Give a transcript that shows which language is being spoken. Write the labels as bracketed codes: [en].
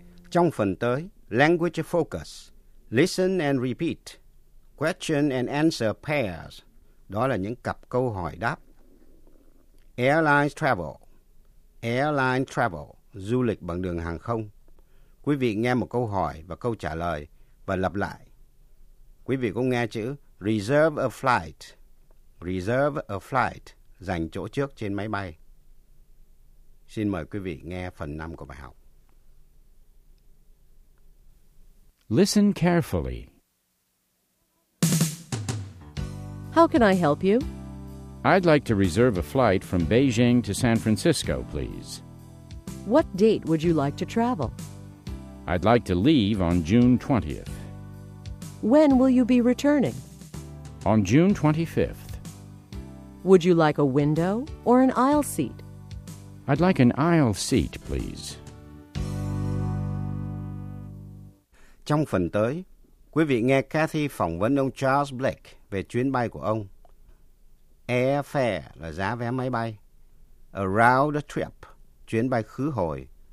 [vi] Trong phần tới, [en] language focus. Listen and repeat. Question and answer pairs. [vi] Đó là những cặp câu hỏi đáp. [en] Airlines travel. Airline travel. [vi] Du lịch bằng đường hàng không. Quý vị nghe một câu hỏi và câu trả lời và lặp lại. Quý vị cũng nghe chữ [en] reserve a flight. Reserve a flight, [vi] dành chỗ trước trên máy bay. Xin mời quý vị nghe phần 5 của bài học. [en] Listen carefully. How can I help you? I'd like to reserve a flight from Beijing to San Francisco, please. What date would you like to travel? I'd like to leave on June 20th. When will you be returning? On June 25th. Would you like a window or an aisle seat? I'd like an aisle seat, please. [vi] Trong phần tới, quý vị nghe Cathy phỏng vấn ông Charles Blake về chuyến bay của ông. Airfare là giá vé máy bay. [en] A round trip, [vi] chuyến bay khứ hồi.